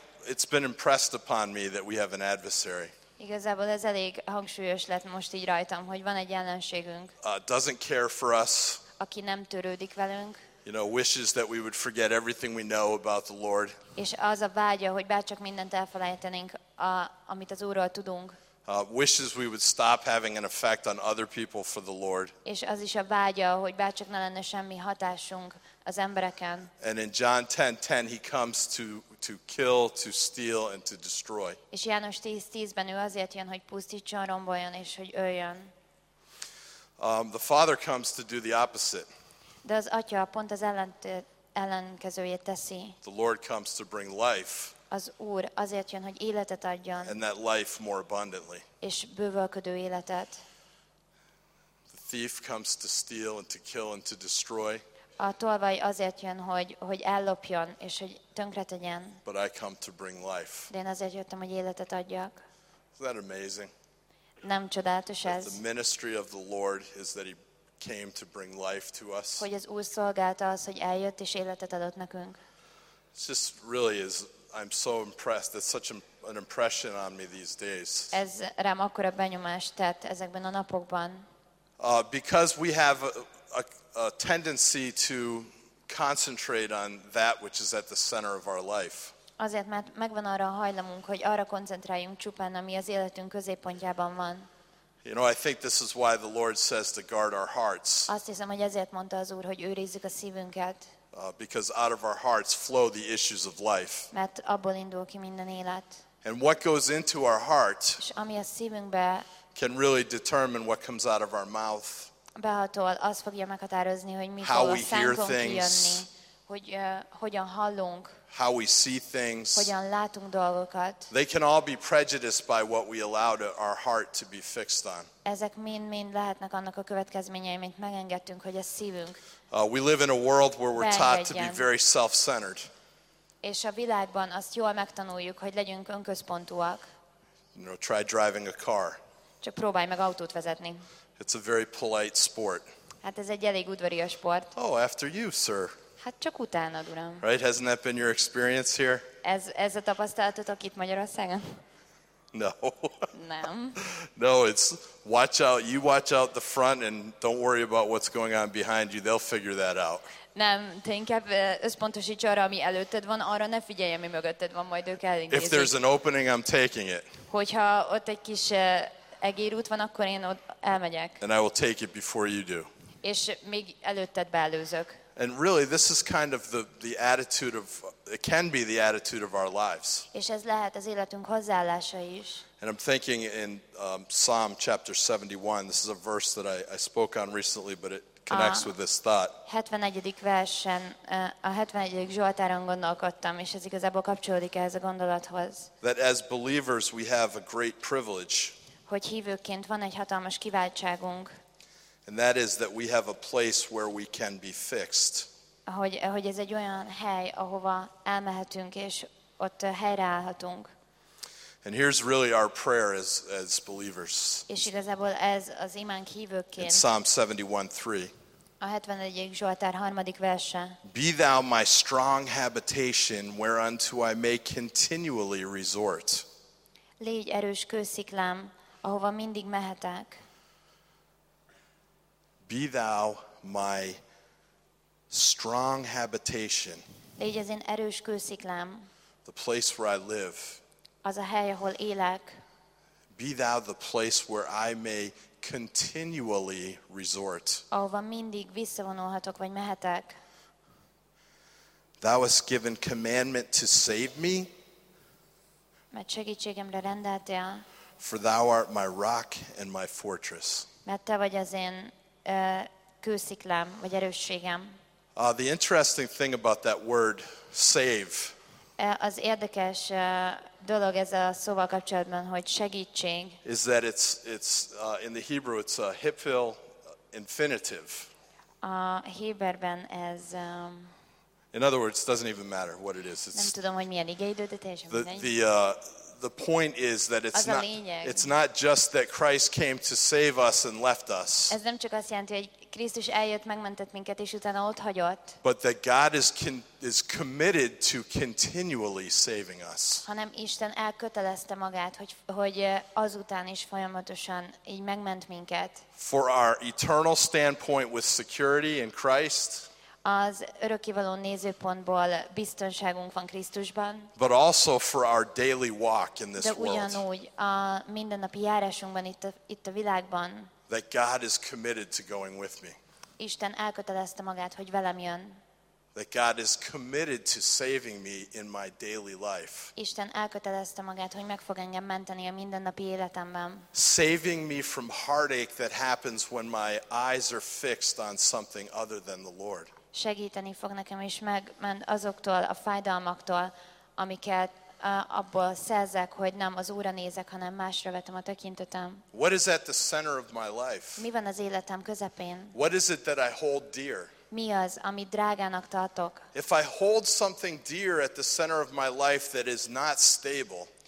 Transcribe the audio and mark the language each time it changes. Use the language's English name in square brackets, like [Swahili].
[English] It's been impressed upon me that we have an adversary. [Hungarian] Igazából ez elég hangsúlyos lett most így rajtam, hogy van egy ellenségünk. [English] Doesn't care for us. [Hungarian] Aki nem törődik velünk. [English] You know, wishes that we would forget everything we know about the Lord. [Hungarian] És az a vágya, hogy bárcsak mindent elfelejtenénk, amit az Úrról tudunk. [English] Wishes we would stop having an effect on other people for the Lord. [Hungarian] És az is a vágya, hogy bárcsak ne lenne semmi hatásunk az embereken. [English] And in John 10:10, he comes to kill, to steal, and to destroy. [Hungarian] És János 10:10-ben ő azért jön, hogy pusztítson, romboljon és hogy öljön. [English] The Father comes to do the opposite. [Hungarian] De az Atya pont az ellenkezőjét teszi. [English] The Lord comes to bring life. [Hungarian] Az Úr azért jön, hogy életet adjon. [English] And that life more abundantly. [Hungarian] És bővölködő életet. [English] The thief comes to steal and to kill and to destroy. [Hungarian] A tolvaj azért jön, hogy ellopjon és hogy tönkretegyen. [English] But I come to bring life. [Hungarian] De én azért jöttem, hogy életet adjak. [English] Isn't that amazing? [Hungarian] Nem csodálatos ez? [English] The ministry of the Lord is that he came to bring life to us. [Hungarian] Hogy az Úr szolgálta az, hogy eljött és életet adott nekünk. [English] It just really is, I'm so impressed. That's such an impression on me these days. [Hungarian] Ez rám akkora benyomást tett ezekben a napokban. [English] Because we have a tendency to concentrate on that which is at the center of our life. [Hungarian] Azért, mert megvan arra a hajlamunk, hogy arra koncentráljunk csupán, ami az életünk középpontjában van. [English] You know, I think this is why the Lord says to guard our hearts. [Hungarian] Azt hiszem, hogy ezért mondta az Úr, hogy őrizzük a szívünket. [English] Because out of our hearts flow the issues of life. [Hungarian] Mert abból indul ki minden élet. [English] And what goes into our heart [Hungarian] ami a szívünkbe [English] can really determine what comes out of our mouth. [Hungarian] Behatol, az fogja meghatározni, hogy mi [English] how we hear things. [Hungarian] Hogy, hogyan hallunk, [English] how we see things. [Hungarian] Hogyan látunk dolgokat. [English] They can all be prejudiced by what we allow to, our heart to be fixed on. [Hungarian] Ezek mind-mind lehetnek annak a következményei, mint megengedtünk, hogy a szívünk. [English] We live in a world where we're taught to be very self-centered. [Hungarian] És a világban azt jól megtanuljuk, hogy legyünk önközpontúak. [English] You know, try driving a car. [Hungarian] Csak próbálj meg autót vezetni. [English] It's a very polite sport. [Hungarian] Hát ez egy elég udvarias sport. [English] Oh, after you, sir. [Hungarian] Hát csak utána, uram. [English] Right? Hasn't that been your experience here? [Hungarian] Ez a tapasztalatotok itt Magyarországon? [English] No. [Hungarian] Nem. [English] No, it's watch out. You watch out the front and don't worry about what's going on behind you. They'll figure that out. [Hungarian] Nem, te inkább összpontosíts arra, ami előtted van, arra ne figyelj, ami mögötted van, majd ők elindítják. [English] If there's an opening, I'm taking it. [Hungarian] Hogyha ott egy kis egérút van, akkor én ott elmegyek. [English] And I will take it before you do. [Hungarian] És még előtted beelőzök. [English] And really, this is kind of the attitude of, it can be the attitude of our lives. [Hungarian] És ez lehet az életünk hozzáállása is. [English] And I'm thinking in Psalm chapter 71, this is a verse that I spoke on recently, but it connects with this thought. [Hungarian] 71. versen, a 71. Zsoltáron gondolkodtam, és ez igazából kapcsolódik ehhez a gondolathoz. [English] That as believers, we have a great privilege. [Hungarian] Hogy hívőként van egy hatalmas kiváltságunk. [English] And that is that we have a place where we can be fixed. [Hungarian] Hogy ez egy olyan hely, ahova elmehetünk és ott helyreállhatunk. [English] And here's really our prayer as believers. [Hungarian] És igazából ez az imánk hívőként. [English] In Psalm 71:3. [Hungarian] A 71. Zsoltár harmadik verse. [English] Be thou my strong habitation whereunto I may continually resort. [Hungarian] Légy erős kősziklám, ahova mindig mehetek. [English] Be thou my strong habitation. [Hungarian] Légy az én erős kősziklám. [English] The place where I live. [Hungarian] Az a hely, ahol élek. [English] Be thou the place where I may continually resort. [Hungarian] Ahova mindig visszavonulhatok vagy mehetek. [English] Thou hast given commandment to save me. [Hungarian] Mert segítségemre rendeltél. [English] For thou art my rock and my fortress. [Hungarian] Mert te vagy az én kősziklám, vagy erősségem. [English] The interesting thing about that word, save. [Hungarian] Az érdekes dolog ez a szóval kapcsolatban, hogy segítség. [English] Is that it's in the Hebrew it's a hiphil infinitive. [Hungarian] A héberben ez. [English] In other words, it doesn't even matter what it is. [Hungarian] Nem tudom, hogy milyen igéidő, de teljesen mindegy. [English] The point is that it's not just that Christ came to save us and left us. [Hungarian] Ez nem csak azt jelenti, hogy Krisztus eljött, megmentett minket és utána ott hagyott. [English] But that God is committed to continually saving us. [Hungarian] Hanem Isten elkötelezte magát, hogy azután is folyamatosan így megment minket. [English] For our eternal standpoint with security in Christ. [Hungarian] Az örökkévaló nézőpontból biztonságunk van Krisztusban. [English] But also for our daily walk in this world. [Hungarian] De ugyanúgy a mindennapi járásunkban itt a világban. [English] That God is committed to going with me. [Hungarian] Isten elkötelezte magát, hogy velem jön. [English] That God is committed to saving me in my daily life. [Hungarian] Isten elkötelezte magát, hogy meg fog engem menteni a mindennapi életemben. [English] Saving me from heartache that happens when my eyes are fixed on something other than the Lord. [Hungarian] Segíteni fog nekem is megment azoktól a fájdalmaktól, amiket abból szerzek, hogy nem az Úrra nézek, hanem másra vetem a tekintetem. [English] What is at the center of my life? [Hungarian] Mi van az életem közepén? [English] What is it that I hold dear? [Hungarian] Mi az, amit drágának tartok? [English] If I hold something dear at the center of my life that is not stable.